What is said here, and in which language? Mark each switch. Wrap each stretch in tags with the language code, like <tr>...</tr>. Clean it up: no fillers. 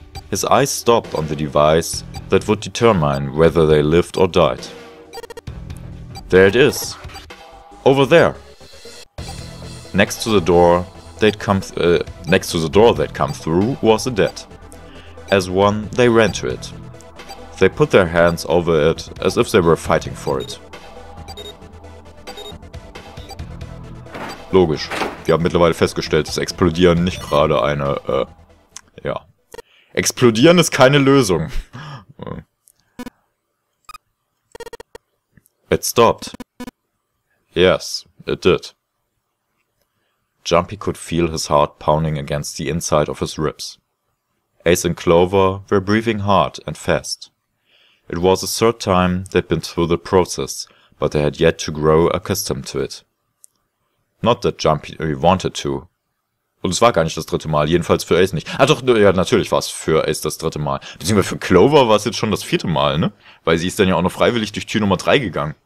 <en>His eyes stopped on the device that would determine whether they lived or died. There it is! Over there! Next to the door they'd come next to the door they'd come through was a dead. As one, they ran to it. They put their hands over it as if they were fighting for it.</en> <de>Logisch. Wir haben mittlerweile festgestellt, dass Explodieren nicht gerade eine, ja. Explodieren ist keine Lösung.</de> <en>It stopped. Yes, it did. Jumpy could feel his heart pounding against the inside of his ribs. Ace and Clover were breathing hard and fast. It was the third time they'd been through the process, but they had yet to grow accustomed to it. Not that Jumpy wanted to.</en> <de>Und es war gar nicht das dritte Mal, jedenfalls für Ace nicht. Ah doch, ja, natürlich war es für Ace das dritte Mal. Beziehungsweise für Clover war es jetzt schon das vierte Mal, ne? Weil sie ist dann ja auch noch freiwillig durch Tür Nummer 3 gegangen.</de>